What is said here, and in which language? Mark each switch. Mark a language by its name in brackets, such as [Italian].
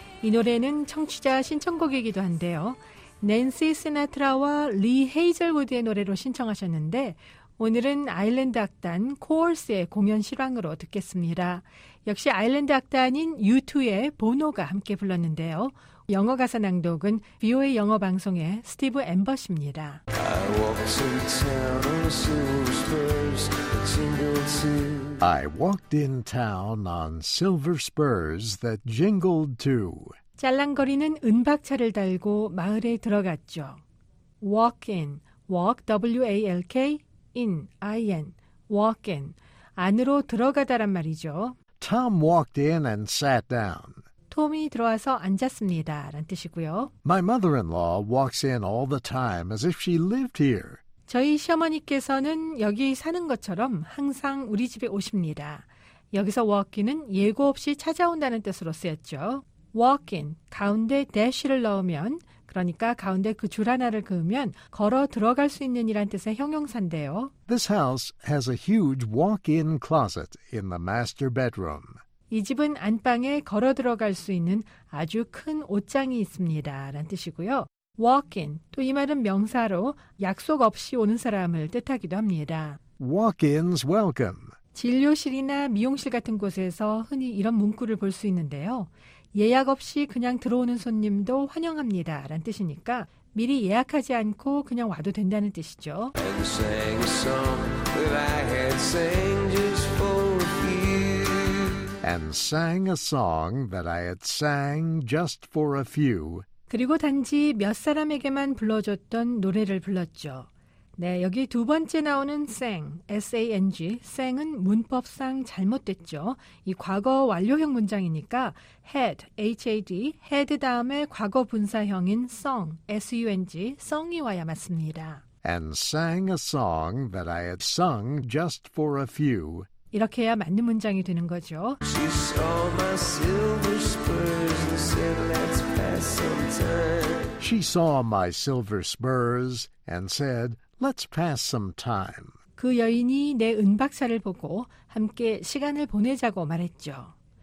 [Korean] 이 노래는 청취자 신청곡이기도 한데요. 낸시 시나트라와 리 헤이즐우드의 노래로 신청하셨는데 오늘은 아일랜드 악단 코어스의 공연 실황으로 듣겠습니다. 역시 아일랜드 악단인 U2의 보노가 함께 불렀는데요. 영어 가사 낭독은 VOA 영어 방송의 스티브 엠버시입니다. [English] I walked in town on silver spurs that jingled too. [Korean] 짤랑거리는 은박차를 달고 마을에 들어갔죠. [English] Walk in, walk, W-A-L-K, in, I-N, walk in, [Korean] 안으로 들어가다란 말이죠. [English] Tom walked in and sat down. [Korean] 톰이 들어와서 앉았습니다, 라는 뜻이고요. [English] My mother-in-law walks in all the time as if she lived here. [Korean] 저희 시어머니께서는 여기 사는 것처럼 항상 우리 집에 오십니다. 여기서 walk-in은 예고 없이 찾아온다는 뜻으로 쓰였죠. walk-in, 가운데 dash를 넣으면, 그러니까 가운데 그 줄 하나를 그으면 걸어 들어갈 수 있는 이란 뜻의 형용사인데요. [English] This house has a huge walk-in closet in the master bedroom. [Korean] 이 집은 안방에 걸어 들어갈 수 있는 아주 큰 옷장이 있습니다. 라는 뜻이고요. Walk in, 또 이 말은 명사로 약속 없이 오는 사람을 뜻하기도 합니다. [English] Walk-in's welcome. [Korean] 진료실이나 미용실 같은 곳에서 흔히 이런 문구를 볼 수 있는데요. 예약 없이 그냥 들어오는 손님도 환영합니다. 라는 뜻이니까 미리 예약하지 않고 그냥 와도 된다는 뜻이죠. [English] And sang a song that I had sang just for you. And sang a song that I had sang just for a few. [Korean] 그리고 단지 몇 사람에게만 불러줬던 노래를 불렀죠. 네, 여기 두 번째 나오는 쌩, S-A-N-G, 쌩은 문법상 잘못됐죠. 이 과거 완료형 문장이니까 had, H-A-D, had 다음에 과거 분사형인 song, S-U-N-G, song이 와야 맞습니다. [English] And sang a song that I had sung just for a few. [Korean] 이렇게 해야 맞는 문장이 되는 거죠. [English] She saw my silver spurs and said, let's pass some time. She saw my silver spurs and said, let's pass some time. [Korean] 그 여인이 내 은박사를 보고 함께 시간을 보내자고 말했죠.